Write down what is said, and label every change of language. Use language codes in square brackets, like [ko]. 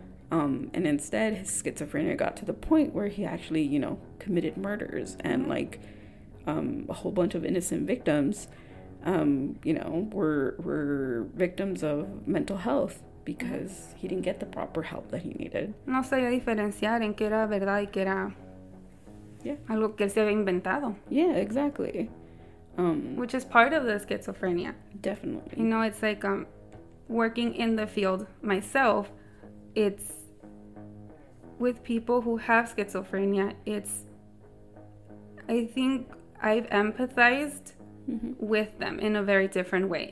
[en] And instead, his schizophrenia got to the point where he actually, you know, committed murders and like a whole bunch of innocent victims, you know, were victims of mental health. Because he didn't get the proper help that he needed. [es] No sabía diferenciar en qué era verdad y qué era algo que él se había inventado. [en] Yeah, exactly. Which is part of the schizophrenia. Definitely. You know, it's like working in the field myself, it's with people who have schizophrenia, it's, I think I've empathized with them in a very different way.